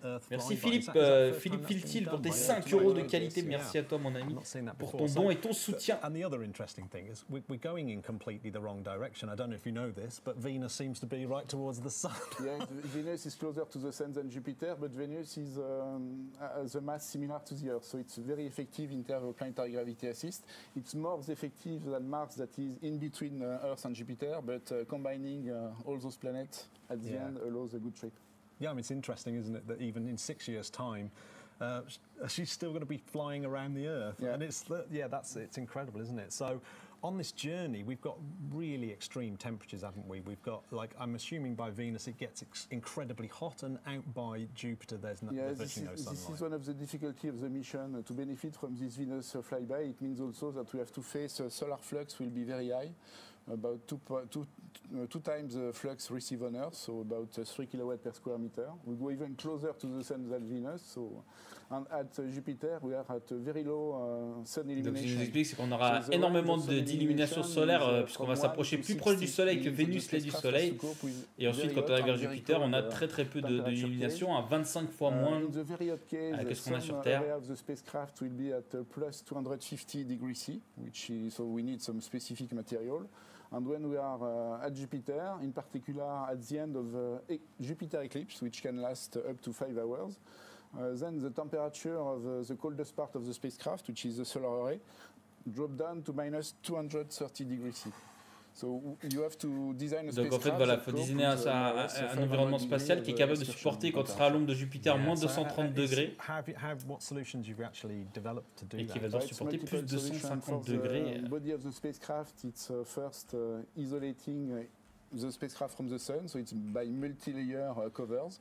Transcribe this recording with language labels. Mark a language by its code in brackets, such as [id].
[fr] Merci Philippe, Philippe Filtil pour tes 5 euros de qualité. Merci à toi mon ami pour ton don et ton soutien. [en] And the other interesting thing is we're going in completely the wrong direction. I don't know if you know this, but Venus seems to be right towards the sun. Yeah, Venus is closer to the sun than Jupiter, but Venus is has a mass similar to the Earth, so it's very effective in terms of planetary gravity assist. It's more effective than Mars, that is in between Earth and Jupiter, but combining all those planets at the end allows a good trip. Yeah, I mean, it's interesting, isn't it, that even in 6 years' time, she's still going to be flying around the Earth. Yeah. And it's, it's incredible, isn't it? So on this journey, we've got really extreme temperatures, haven't we? We've got, like, I'm assuming by Venus, it gets incredibly hot, and out by Jupiter, there's no sunlight. This is one of the difficulties of the mission to benefit from this Venus flyby. It means also that we have to face solar flux will be very high, about two times the flux received on Earth, so about 3 kilowatts per square meter. We go even closer to the sun than Venus, so... And at Jupiter, we are at a very low sun illumination. [fr] Donc, ce qui nous explique, c'est qu'on aura énormément d'illumination solaire puisqu'on va s'approcher plus proche du Soleil que Vénus l'est du Soleil. Et ensuite, quand on arrive vers Jupiter, on a très très peu d'illumination, à 25 fois moins que ce qu'on a sur Terre. [en] The spacecraft will be at plus 250 degrees C, which is, so we need some specific material. And when we are at Jupiter, in particular at the end of Jupiter eclipse, which can last up to 5 hours. Then the temperature of the coldest part of the spacecraft, which is the solar array, dropped down to minus 230 degrees C. So you have to design a [fr] donc en fait, voilà, il faut designer un environnement spatial qui est capable de supporter, quand sera à l'ombre de Jupiter, moins 230 degrés, et qui va devoir supporter plus de 250 degrés. [en] The body of the spacecraft, it's first isolating the spacecraft from the sun, so it's by multi-layer covers.